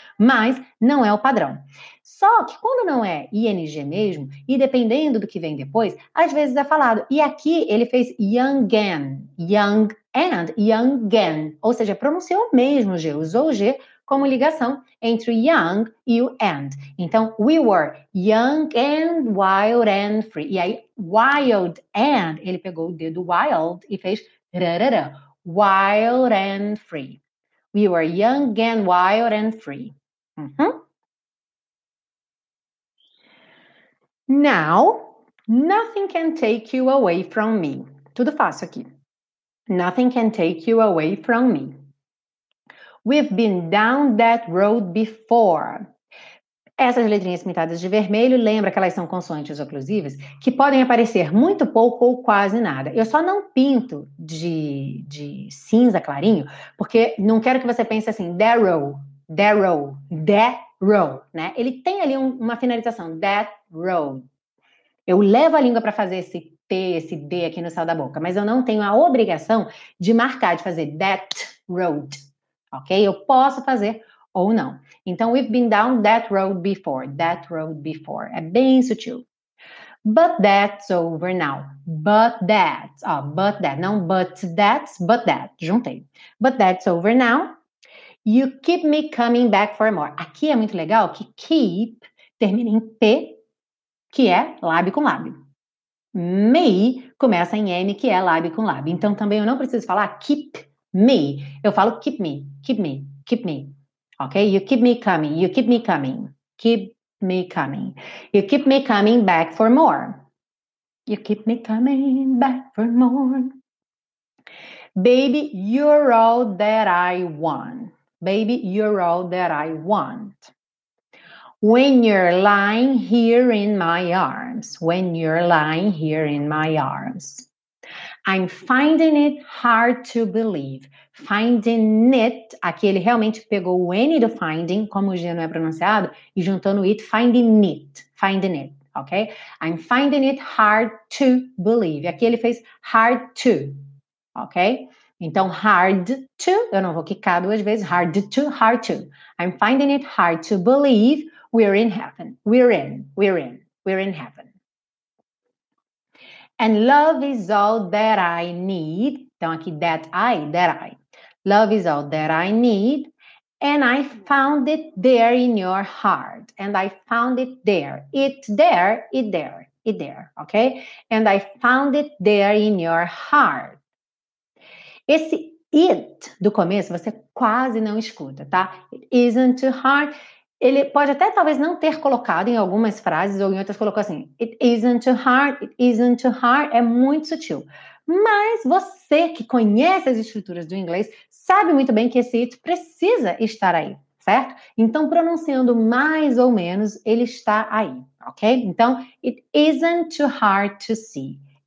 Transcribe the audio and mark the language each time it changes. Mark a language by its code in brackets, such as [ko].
[pt] Mas não é o padrão. Só que quando não é ing mesmo, e dependendo do que vem depois, às vezes é falado. E aqui ele fez young and, young and, young and. Ou seja, pronunciou mesmo o G, usou o G como ligação entre o young e o and. [en] Então, we were young and wild and free. [pt] E aí, wild and, ele pegou o dedo wild e fez rarara. [en] Wild and free. We were young and wild and free. Uhum. Now, nothing can take you away from me. [pt] Tudo fácil aqui. [en] Nothing can take you away from me. We've been down that road before. [pt] Essas letrinhas pintadas de vermelho, lembra que elas são consoantes oclusivas? Que podem aparecer muito pouco ou quase nada. Eu só não pinto de cinza clarinho, porque não quero que você pense assim, Darrow, Darrow, Darrow, né? Ele tem ali uma finalização, that road. Eu levo a língua para fazer esse T, esse D aqui no céu da boca, mas eu não tenho a obrigação de marcar, de fazer that road, ok? Eu posso fazer ou não. Então, [en] we've been down that road before, [pt] é bem sutil. [en] But that's over now, but that, ó, oh, but that, não, but that, juntei. But that's over now, you keep me coming back for more. [pt] Aqui é muito legal que keep termina em P, que é lábio com lábio. Me começa em M, que é lábio com lábio. Então, também eu não preciso falar keep me, eu falo keep me, keep me, keep me. [en] Ok? You keep me coming. You keep me coming. Keep me coming. You keep me coming back for more. You keep me coming back for more. Baby, you're all that I want. Baby, you're all that I want. When you're lying here in my arms. When you're lying here in my arms. I'm finding it hard to believe. [pt] Finding it, aqui ele realmente pegou o N do finding, como o G não é pronunciado, e juntou no it, finding it, ok? [en] I'm finding it hard to believe. [pt] Aqui ele fez hard to, ok? Então, hard to, eu não vou quicar duas vezes, hard to, hard to. [en] I'm finding it hard to believe we're in heaven. We're in, we're in, we're in heaven. And love is all that I need. [pt] Então, aqui, [en] that I. Love is all that I need. And I found it there in your heart. And I found it there. It there. Okay? And I found it there in your heart. [pt] Esse it do começo, você quase não escuta, tá? [en] It isn't too hard. [pt] Ele pode até talvez não ter colocado em algumas frases ou em outras, colocou assim, [en] it isn't too hard, [pt] é muito sutil. Mas você que conhece as estruturas do inglês, sabe muito bem que esse it precisa estar aí, certo? Então, pronunciando mais ou menos, ele está aí, ok? Então, [en] it isn't too hard to see.